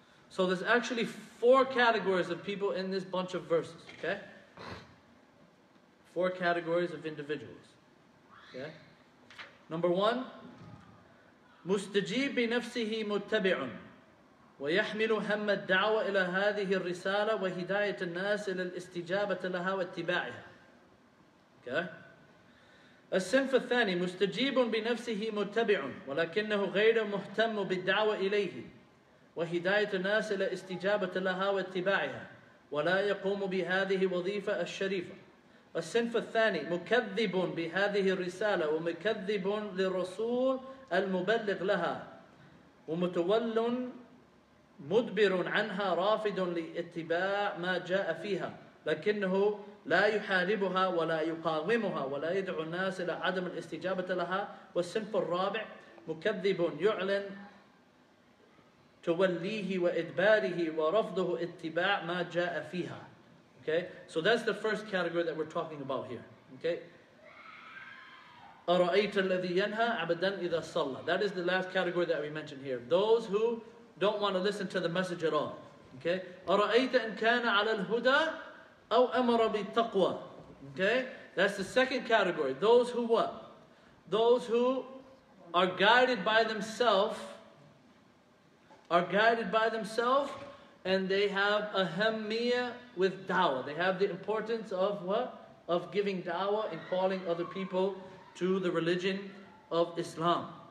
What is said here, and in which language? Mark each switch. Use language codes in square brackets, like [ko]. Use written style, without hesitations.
[en] So there's actually four categories of people in this bunch of verses, okay? Four categories of individuals, okay? Number one, [ar] مستجيب بنفسه متبع ويحمل هم الدعوة إلى هذه الرسالة وهداية الناس إلى الاستجابة لها واتباعها. [en] Okay? [ar] الصنف الثاني مستجيب بنفسه متبع ولكنه غير مهتم بالدعوة إليه وهداية الناس إلى استجابة لها واتباعها ولا يقوم بهذه وظيفة الشريفة. الصنف الثاني مكذب بهذه الرسالة ومكذب للرسول المبلغ لها ومتول مدبر عنها رافض لاتباع ما جاء فيها لكنه لا يحاربها ولا يقاومها ولا يدعو الناس إلى عدم الاستجابة لها. والصنف الرابع مكذب يعلن توليه وإدباره ورفضه اتباع ما جاء فيها. [en] Okay, so that's the first category that we're talking about here. [ar] Okay, أرأيت الذي ينهى عبدا إذا صلى. [en] That is the last category that we mentioned here. Those who don't want to listen to the message at all. [ar] Okay, أرأيت إن كان على الهدى أو أمر بالتقوى. [en] Okay, that's the second category. Those who what? Those who are guided by themselves. Are guided by themselves and they have ahemmiya with da'wah. They have the importance of what? Of giving da'wah and calling other people to the religion of Islam.